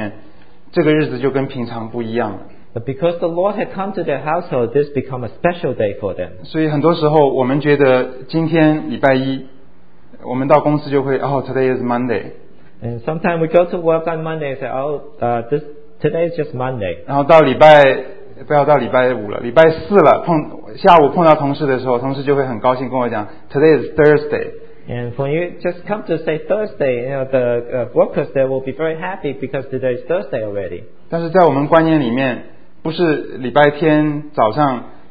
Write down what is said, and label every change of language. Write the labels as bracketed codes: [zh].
[zh] 但是因着耶稣来到他们家里面，这个日子就跟平常不一样了。 [en] But because the Lord had come to their household, this become a special day for them. [zh] 所以很多时候我们觉得今天礼拜一。我们到公司就会，哦， [en] today is Monday. And sometimes we go to work on Monday and say, oh, this today is just Monday. [zh] 然后到礼拜，不要到礼拜五了，礼拜四了，下午碰到同事的时候，同事就会很高兴跟我讲， [en] today is Thursday. And when you just come to say Thursday, you know, the workers there will be very happy because today is Thursday already. [zh] 但是在我们观念里面，不是礼拜天早上。